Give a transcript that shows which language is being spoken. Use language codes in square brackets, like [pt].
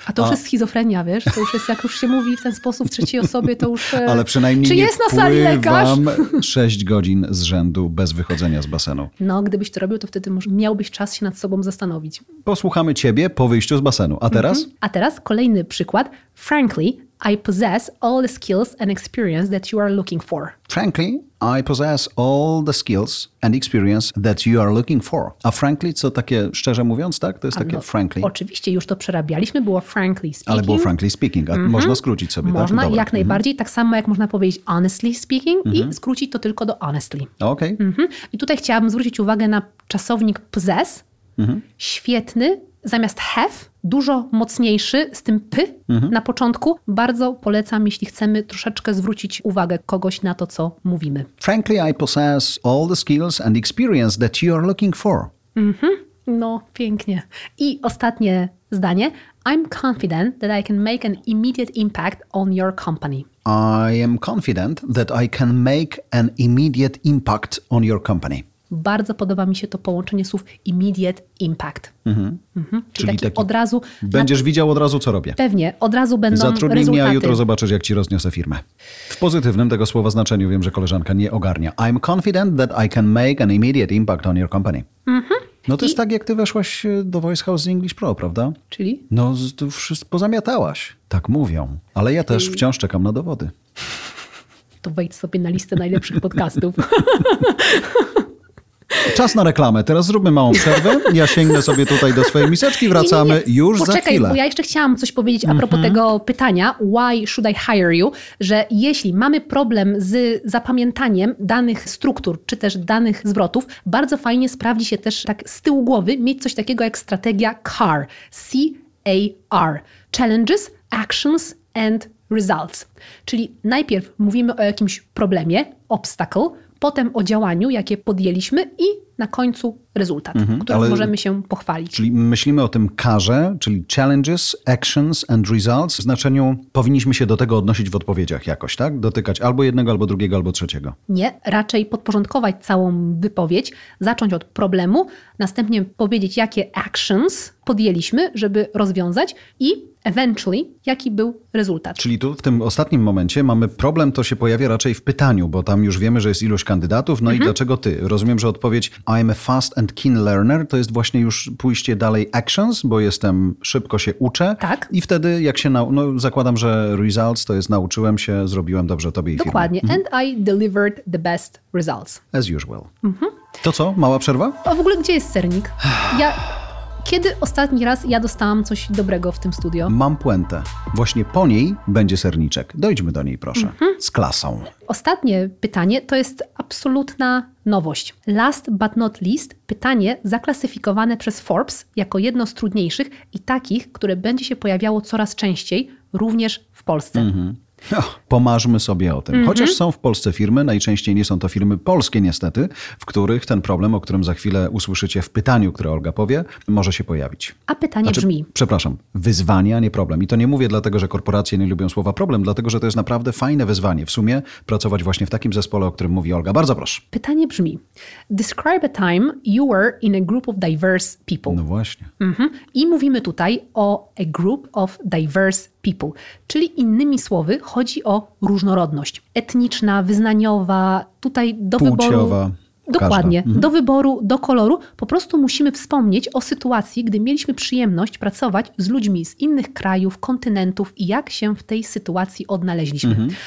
[pl] A to już jest schizofrenia, wiesz? To już jest, jak już się mówi w ten sposób w trzeciej osobie, to już... Ale przynajmniej czy jest na sali lekarz? 6 godzin z rzędu bez wychodzenia z basenu. No, gdybyś to robił, to wtedy miałbyś czas się nad sobą zastanowić. Posłuchamy ciebie po wyjściu z basenu. A teraz? Mm-hmm. A teraz kolejny przykład. [en] Frankly, I possess all the skills and experience that you are looking for. Frankly, I possess all the skills and experience that you are looking for. [pl] A frankly, co takie, szczerze mówiąc, tak? To jest takie no, [en] frankly. [pl] Oczywiście, już to przerabialiśmy, było frankly speaking. Ale było frankly speaking, a mm-hmm. można skrócić sobie, można, tak? Można, jak najbardziej, tak samo jak można powiedzieć honestly speaking mm-hmm. i skrócić to tylko do honestly. Okej. Okay. Mm-hmm. I tutaj chciałabym zwrócić uwagę na czasownik possess. Mm-hmm. Świetny, zamiast have, dużo mocniejszy, z tym p na początku. Bardzo polecam, jeśli chcemy troszeczkę zwrócić uwagę kogoś na to, co mówimy. [en] Frankly, I possess all the skills and experience that you are looking for. [pl] Mm-hmm. No, pięknie. I ostatnie zdanie. [en] I'm confident that I can make an immediate impact on your company. I am confident that I can make an immediate impact on your company. [pl] Bardzo podoba mi się to połączenie słów immediate impact. Mhm. Mhm. Czyli taki od razu... Będziesz widział od razu, co robię. Pewnie, od razu będą rezultaty. Zatrudnij mnie, a jutro zobaczysz, jak ci rozniosę firmę. W pozytywnym tego słowa znaczeniu wiem, że koleżanka nie ogarnia. [en] I'm confident that I can make an immediate impact on your company. Mhm. [pl] No to jest tak, jak ty weszłaś do Voice House z English Pro, prawda? Czyli? No, to wszystko pozamiatałaś. Tak mówią. Ale ja też wciąż czekam na dowody. To wejdź sobie na listę najlepszych podcastów. Czas na reklamę. Teraz zróbmy małą przerwę. Ja sięgnę sobie tutaj do swojej miseczki. Wracamy już za chwilę. Bo ja jeszcze chciałam coś powiedzieć a propos tego pytania. [en] Why should I hire you? [pl] Że jeśli mamy problem z zapamiętaniem danych struktur, czy też danych zwrotów, bardzo fajnie sprawdzi się też tak z tyłu głowy mieć coś takiego jak strategia CAR. C-A-R. [en] Challenges, Actions and Results. [pl] Czyli najpierw mówimy o jakimś problemie, obstacle, potem o działaniu, jakie podjęliśmy i na końcu rezultat, którym możemy się pochwalić. Czyli myślimy o tym karze, czyli [en] challenges, actions and results. [pl] W znaczeniu powinniśmy się do tego odnosić w odpowiedziach jakoś, tak? Dotykać albo jednego, albo drugiego, albo trzeciego. Nie, raczej podporządkować całą wypowiedź, zacząć od problemu, następnie powiedzieć, jakie actions podjęliśmy, żeby rozwiązać i eventually, jaki był rezultat. Czyli tu w tym ostatnim momencie mamy problem, to się pojawia raczej w pytaniu, bo tam już wiemy, że jest ilość kandydatów, no i dlaczego ty? Rozumiem, że odpowiedź [en] I'm a fast and keen learner, [pl] to jest właśnie już pójście dalej actions, bo jestem, szybko się uczę. Tak. I wtedy jak się, zakładam, że results, to jest nauczyłem się, zrobiłem dobrze tobie i firmie. Dokładnie. [en] And I delivered the best results. As usual. [pl] To co? Mała przerwa? A w ogóle gdzie jest sernik? Kiedy ostatni raz ja dostałam coś dobrego w tym studio? Mam puentę. Właśnie po niej będzie serniczek. Dojdźmy do niej, proszę. Mm-hmm. Z klasą. Ostatnie pytanie to jest absolutna nowość. [en] Last but not least, [pl] pytanie zaklasyfikowane przez Forbes jako jedno z trudniejszych i takich, które będzie się pojawiało coraz częściej, również w Polsce. Mm-hmm. Pomarzmy sobie o tym. Mm-hmm. Chociaż są w Polsce firmy, najczęściej nie są to firmy polskie niestety, w których ten problem, o którym za chwilę usłyszycie w pytaniu, które Olga powie, może się pojawić. A pytanie brzmi... Przepraszam, wyzwanie, a nie problem. I to nie mówię dlatego, że korporacje nie lubią słowa problem, dlatego, że to jest naprawdę fajne wyzwanie w sumie pracować właśnie w takim zespole, o którym mówi Olga. Bardzo proszę. Pytanie brzmi... [en] Describe a time you were in a group of diverse people. [pl] No właśnie. Mm-hmm. I mówimy tutaj o [en] a group of diverse people. [pl] Czyli innymi słowy, chodzi o różnorodność. Etniczna, wyznaniowa, tutaj do płciowa, wyboru. Dokładnie. Każda. Do wyboru, do koloru. Po prostu musimy wspomnieć o sytuacji, gdy mieliśmy przyjemność pracować z ludźmi z innych krajów, kontynentów i jak się w tej sytuacji odnaleźliśmy. Mhm.